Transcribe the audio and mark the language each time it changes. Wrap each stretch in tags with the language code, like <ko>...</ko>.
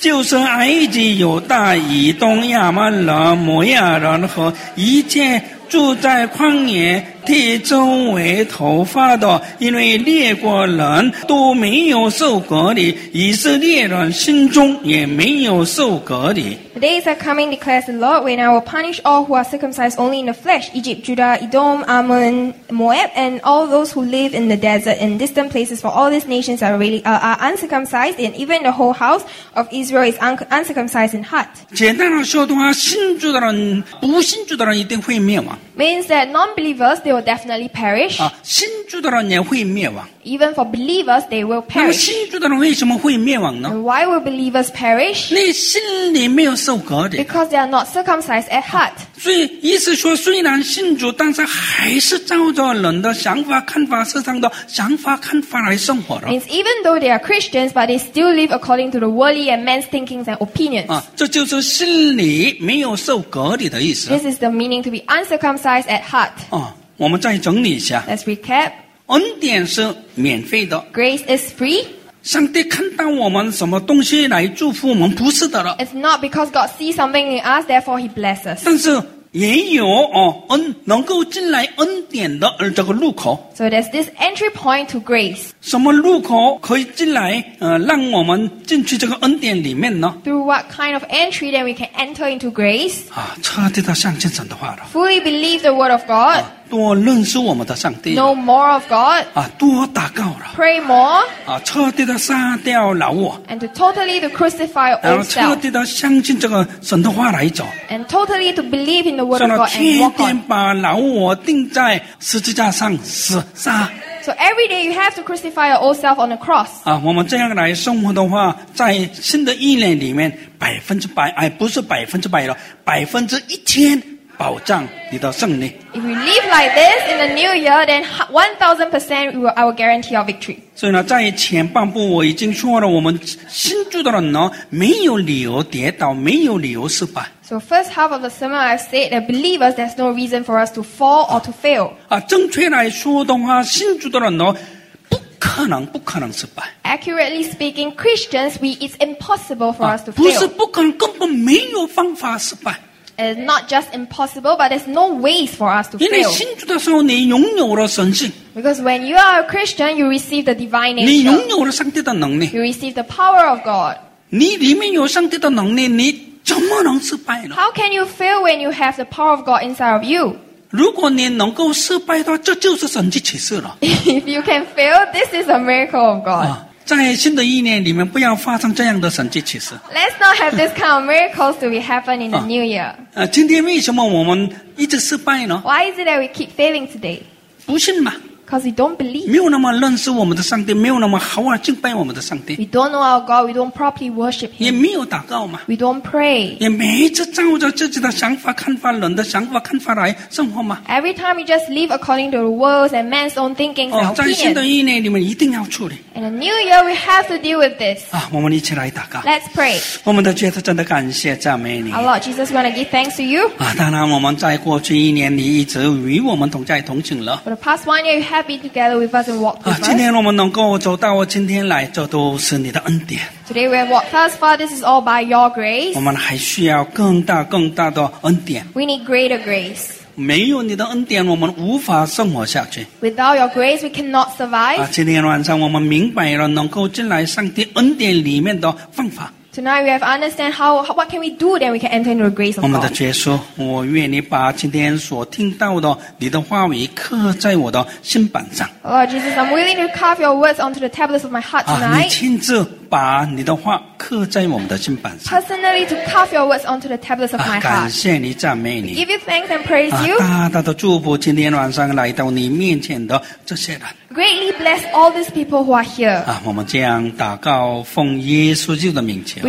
<zh>就是埃及、犹大、以东、亚门人、摩亚人和一切。住在旷野地周围头发的，因为列国人都没有受隔离，以色列人心中也没有受隔离。</zh> <en>The days are coming, declares the Lord, when I will punish all who are circumcised only in the flesh, Egypt, Judah, Edom, Ammon, Moab, and all those who live in the desert in distant places, for all these nations are uncircumcised, and even the whole house of Israel is uncircumcised in heart.</en> <zh>简单来说的话，信主的人，不信主的人一定会灭亡。</zh> <en>Means that non-believers, they will definitely perish.</en> <zh>啊，信主的人也会灭亡。</zh> <en>Even for believers, they will perish.</en> <zh>那么信主的人为什么会灭亡呢？</zh> <en>And why will believers perish?</en> <zh>你心里没有受隔离。</zh> <en>Because they are not circumcised at heart.</en> <zh>所以意思说，虽然信主，但是还是照着人的想法、看法、世上的想法、看法来生活的。</zh> <en>Means even though they are Christians, but they still live according to the worldly and man's thinkings and opinions.</en> <zh>啊，这就是心里没有受隔离的意思。</zh> <en>This is the meaning to be uncircumcised at heart.</en> <zh>啊，我们再整理一下。</zh> <en>Let's recap.</en> <zh>恩典是免费的。</zh> <en>Grace is free.</en> <zh>上帝看到我们什么东西来祝福我们，不是的了。</zh> <en>It's not because God sees something in us, therefore He blesses us.</en> <zh>但是也有哦，恩能够进来恩典的这个入口。</zh> <en>So there's this entry point to grace.</en> <zh>什么入口可以进来？让我们进去这个恩典里面呢</zh> <en>？Through what kind of entry then we can enter into grace?</en> <zh>啊，彻底的相信神的话了。</zh> <en>Fully believe the word of God.、</en> <zh>啊多认识我们的上帝。</zh> <en>Know more of God.</en> <zh>啊，多祷告了。</zh> <en>Pray more.</en> <zh>啊，彻底的杀掉老我。</zh> <en>And to totally to crucify old self.</en> <zh>然后彻底的相信这个神的话来走。</zh> <en>And totally to believe in the word of God and walk on.</en> <zh>天天把老我钉在十字架上死杀。</zh> <en>So every day you have to crucify your old self on the cross.</en> <zh>啊，我们这样来生活的话，在新的一年里面，百分之百，哎，不是百分之百了，百分之一千。保障你的胜利。</zh> <en>If we live like this in the new year, then 1000% we will, I will guarantee our victory.</en> <zh>所以呢，在前半部我已经说了，我们信主的人呢，没有理由跌倒，没有理由失败。</zh> <en>So first half of the sermon, I said that believers, there's no reason for us to fall or to fail.</en> <zh>啊，正确来说的话，信主的人呢。可能不可能失败。</zh> <en>Accurately speaking, Christians, it's impossible for us to fail.</en> <zh>不是不可能，根本没有方法失败。</zh> <en>It's not just impossible, but there's no ways for us to fail.</en> <zh>因为信主的时候，你拥有了神性。</zh> <en>Because when you are a Christian, you receive the divine nature.</en> <zh>你拥有了上帝的能力。</zh> <en>You receive the power of God.</en> <zh>你里面有上帝的能力，你怎么能失败呢？</zh> <en>How can you fail when you have the power of God inside of you?</en> <zh>如果你能够失败的话，这就是神迹奇事了。</zh> <en>If you can fail, this is a miracle of God.</en> <zh>在新的一年里面，不要发生这样的神迹奇事。</zh> <en>Let's not have this kind of miracles to be happen in the new year.</en> <zh>今天为什么我们一直失败呢</zh> <en>？Why is it that we keep failing today?</en> <zh>不信嘛</zh> <en>？Because we don't believe.</en> <zh>没有那么认识我们的上帝，没有那么好好敬拜我们的上帝。</zh> <en>We don't know our God. We don't properly worship Him.</en> <zh>也没有祷告嘛。</zh> <en>We don't pray.</en> <zh>也每次照着自己的想法、看法、人的想法、看法来生活嘛。</zh> <en>Every time we just live according to the world's and man's own thinking.</en> <zh>在新的一年里面一定要处理。</zh> <en>In the new year, we have to deal with this.</en> <zh>啊，我们一起来祷告。</zh> <en>Let's pray.</en> <zh>我们的主耶稣，真的感谢赞美你。</zh> <en>Our Lord Jesus, we want to give thanks to you.</en> <zh>啊，当然，我们在过去一年，你一直与我们同在同行了。</zh> <en>For the past one year, you have been together with us and walked with us.</en> <zh>啊，今天我们能够走到今天来，这都是你的恩典。</zh> <en>Today we have walked thus far. This is all by your grace.</en> <zh>我们还需要更大更大的恩典。</zh> <en>We need greater grace.</en> <zh>没有你的恩典，我们无法生活下去。</zh> <en>Without your grace, we cannot survive.</en> <zh>今天晚上我们明白了能够进来上帝恩典里面的方法。</zh> <en>Tonight we have understand how what can we do then we can enter into the grace of God.</en> <zh>我们的耶稣，我愿意把今天所听到的你的话语刻在我的心板上。</zh> <en>Lord Jesus, I'm willing to carve your words onto the tablets of my heart tonight.</en> <zh>你亲自把你的话刻在我们的心板上。</zh> <en>Personally to carve your words onto the tablets of my heart.</en> <zh>感谢你，赞美你。</zh> <en>Give you thanks and praise you.</en> <zh>大大的祝福今天晚上来到你面前的这些人。</zh> <en>Greatly bless all these people who are here.</en> <zh>啊，我们这样祷告，奉耶稣基督的名求。</zh>